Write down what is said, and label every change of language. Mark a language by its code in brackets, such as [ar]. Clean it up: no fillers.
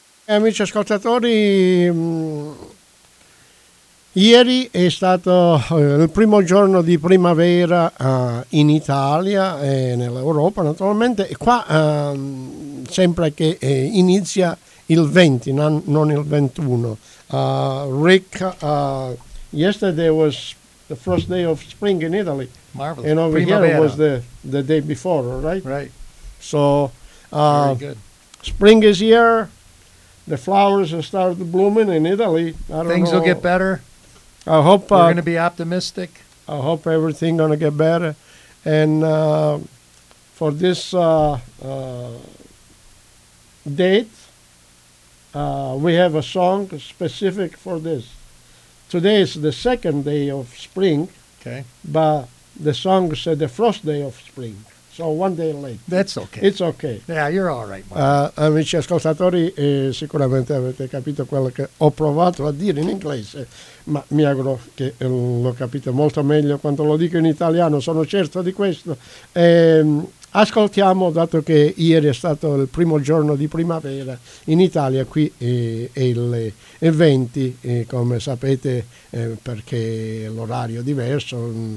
[it] Amici ascoltatori, ieri è stato il primo giorno di primavera in Italia e nell'Europa naturalmente, e qua sembra che inizia il 20, non il 21. [en] Rick, yesterday was the first day of spring in Italy. Marvelous. And over [it] primavera. [en] Here was the day before, right? Right. So, spring is here. The flowers have started blooming in Italy. Things will get better. I hope we're going to be optimistic. I hope everything going to get better. And for this date, we have a song specific for this. Today is the second day of spring. Okay. But the song said the first day of spring. So one day late. That's okay. It's okay. Yeah, you're all right, Mark. [it] Amici ascoltatori, sicuramente avete capito quello che ho provato a dire in inglese, ma mi auguro che lo capite molto meglio quando lo dico in italiano, sono certo di questo. Ascoltiamo, dato che ieri è stato il primo giorno di primavera in Italia, qui è il 20, come sapete, perché l'orario è diverso,